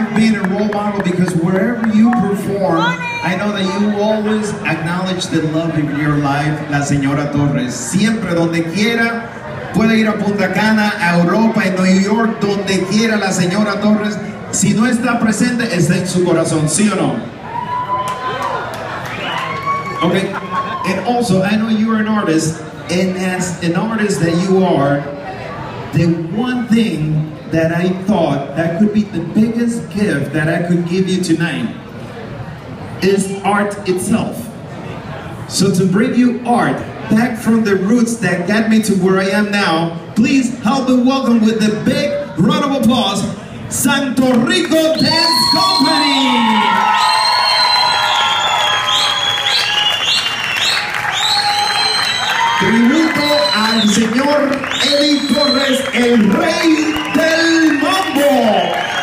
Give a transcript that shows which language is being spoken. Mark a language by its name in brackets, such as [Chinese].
[English] Because wherever you perform, I know that you always acknowledge the love of your life, La Señora Torres. [Spanish] Siempre, donde quiera, puede ir a Punta Cana, a Europa, en New York, donde quiera, La Señora Torres. Si no está presente, está en su corazón, ¿sí o no? [English] Okay. And also, I know you are an artist, and as an artist that you are, the one thing that I thought that could be the biggest gift that I could give you tonight is art itself. So to bring you art back from the roots that got me to where I am now, please help me welcome with a big round of applause, Santo Rico Dance Company! [Spanish] Tributo al señor Eddie Torres, el rey del mambo.